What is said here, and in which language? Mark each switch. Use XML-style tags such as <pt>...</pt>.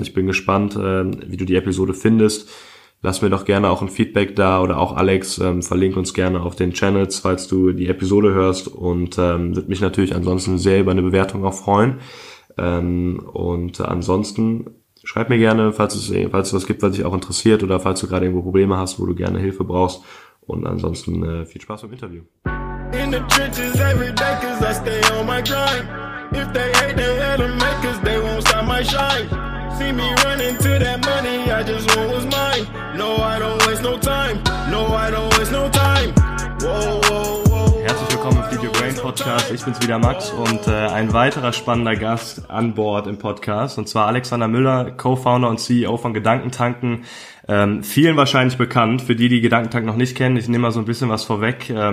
<de>Ich bin gespannt, wie du die Episode findest. Lass mir doch gerne auch ein Feedback da oder auch Alex, verlink uns gerne auf den Channels, falls du die Episode hörst und würde mich natürlich ansonsten sehr über eine Bewertung auch freuen. Und ansonsten schreib mir gerne, falls es was gibt, was dich auch interessiert oder falls du gerade irgendwo Probleme hast, wo du gerne Hilfe brauchst und ansonsten viel Spaß beim Interview.</de> <en>In the trenches every day, cause I stay on my grind. If they hate, they hate them, make, cause they won't stop my shine. See me running to that money, I just want what's mine. No, I don't waste no time. No, I don't waste no time. Whoa, whoa.</en> <de>Willkommen im Video Brain Podcast. Ich bin's wieder, Max, und ein weiterer spannender Gast an Bord im Podcast, und zwar Alexander Müller, Co-Founder und CEO von Gedankentanken. Vielen wahrscheinlich bekannt, für die, die Gedankentanken noch nicht kennen. Ich nehme mal so ein bisschen was vorweg.</de>